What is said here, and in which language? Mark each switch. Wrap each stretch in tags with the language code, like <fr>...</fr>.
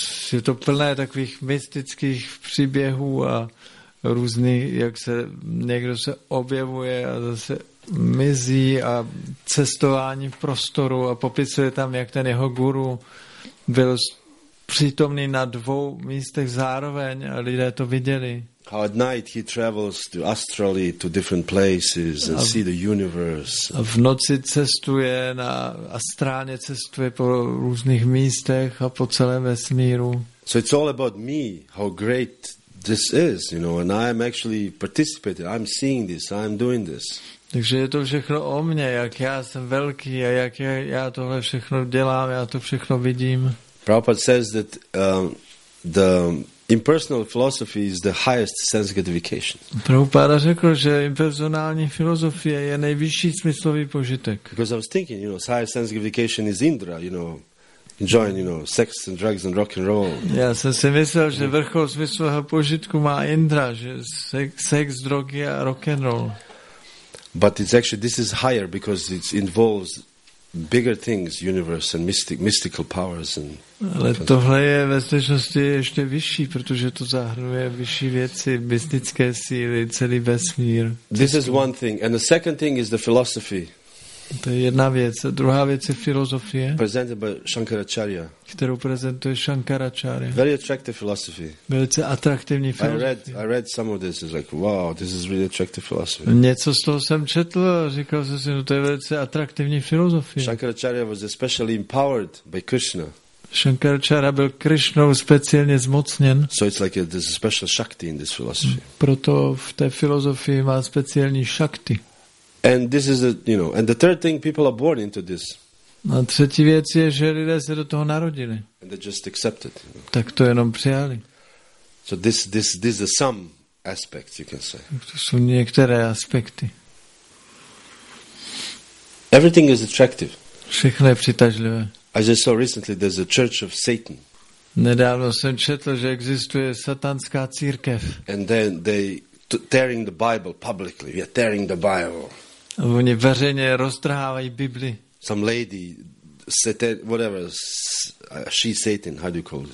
<cs>Je to plné takových mystických příběhů a různých, jak se někdo se objevuje a zase mizí a cestování v prostoru a popisuje tam, jak ten jeho guru byl přítomný na dvou místech zároveň a lidé to viděli.</cs> <en>How at night he travels to astrally to different places and see the universe.</en> <cs>A v noci cestuje na astrálně cestuje po různých místech a po celém vesmíru.</cs> <en>So it's all about me, how great this is, you know, and I am actually participating. I'm seeing this, I'm doing this.</en> <cs>Takže je to všechno o mně, jak já jsem velký a jak já tohle všechno dělám, já to všechno vidím.</cs> <en>Prabhupada says that the impersonal philosophy is the highest sense gratification.</en> <cs>Prabhupada řekl, že impersonální filozofie je nejvyšší smyslový požitek.</cs> <en>Because I was thinking, you know, highest sense gratification is Indra, you know, enjoying, you know, sex and drugs and rock and roll.</en> <cs>Já jsem si myslel, že vrchol svého požitku má Indra, že sex, drogy a</cs> <en>rock and roll. But it's actually, this is higher because it involves bigger things, universe and mystical powers and.</en> <cs>Ale tohle je ve skutečnosti ještě vyšší, protože to zahrnuje vyšší věci, mystické síly, celý vesmír.</cs> <en>This is one thing, and the second thing is the philosophy.</en> <cs>To je jedna věc, a druhá věc je filozofie.</cs> <en>Presented by Shankaracharya.</en> <cs>Kterou prezentuje Shankaracharya.</cs> <en>Very attractive philosophy.</en> <cs>Velice atraktivní filozofie.</cs> <en>I read some of this, it's like, wow, this is really attractive philosophy.</en> <cs>Něco z toho jsem četl, říkal jsem si, no to je velice atraktivní filozofie.</cs> <en>Shankaracharya was especially empowered by Krishna.</en> <cs>Shankaracharya byl Krishnou speciálně zmocněn.</cs> <en>So it's like there's a special shakti in this philosophy.</en> <cs>Proto v té filozofii má speciální šakti.</cs> <en>And this is a, you know, and the third thing, people are born into this.</en> <cs>A třetí věc je, že lidé se do toho narodili.</cs> <en>And they just accept it. You know.</en> <cs>Tak to jenom přijali.</cs> <en>So this is some aspects, you can say.</en> <cs>To jsou některé aspekty.</cs> <en>Everything is attractive.</en> <cs>Všechno je přitažlivé.</cs> <en>I just saw recently there's a church of Satan.</en> <cs>Nedávno jsem četl, že existuje satanská církev.</cs> <en>And then they tearing the Bible publicly. We are tearing the Bible.</en> <cs>A oni veřejně roztrhávají Bibli.</cs> <en>Some lady, satan, whatever, she Satan, how do you call it?</en>